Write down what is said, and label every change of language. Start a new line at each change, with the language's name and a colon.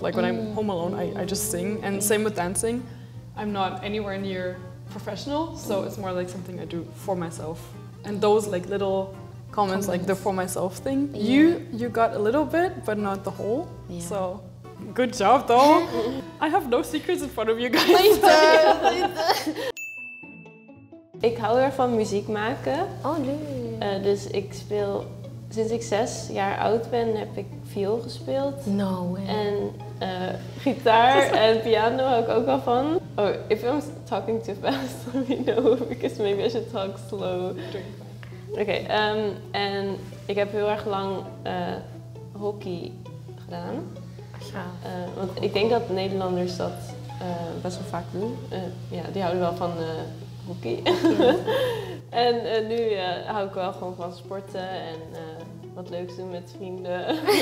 English: Like when I'm home alone, I just sing. And same with dancing. I'm not anywhere near professional, so it's more like something I do for myself. And those like little comments, like the for myself thing, you got a little bit, but not the whole. Yeah. So good job though. I have no secrets in front of you guys. Please do.
Dutch: Ik hou er van muziek maken. Oh, nee. Dus ik speel. Sinds ik 6 jaar oud ben, heb ik viool gespeeld.
English: No way.
Dutch: En gitaar en piano hou ik ook wel van.
English: Oh, if I'm talking too fast, let me know, because maybe I should talk slow.
Dutch: Okay, en ik heb heel erg lang hockey gedaan. Want ik denk dat Nederlanders dat best wel vaak doen. Ja, die houden wel van hockey. En nu hou ik wel gewoon van sporten en wat leuks doen met vrienden.